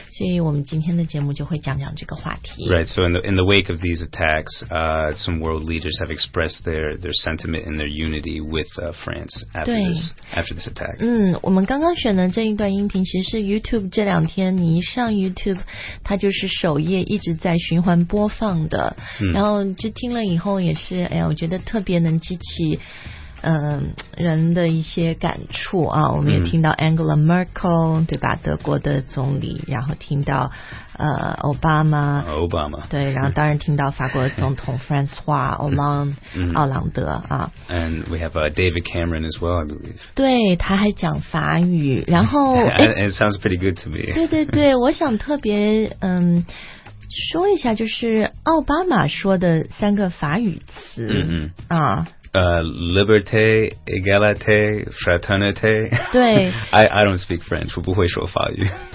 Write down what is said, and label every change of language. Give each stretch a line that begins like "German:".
Chinese: 所以我们今天的节目就会讲讲这个话题。
English: Right, so in the wake of these attacks, some world leaders have expressed their sentiment and their unity with France after this attack.
Chinese: 我们刚刚选的这一段音频其实是 YouTube 这两天你一上 YouTube, 它就是首页一直在循环播放的，然后就听了以后也是，哎呀，我觉得特别能激起人的一些感触啊。我们也听到 Angela Merkel 对吧，德国的总理，然后听到奥巴马对，然后当然听到法国总统 François Hollande 奥朗德啊。
English: And we have David Cameron as well, I believe.
Chinese: 对，他还讲法语，然后
English: It sounds pretty good to me.
Chinese: 对对对，我想特别说一下，就是奥巴马说的三个法语词啊。
French: Liberté, égalité, fraternité.
Chinese: 对。
English: I don't speak French,
Chinese: 我不会说法语。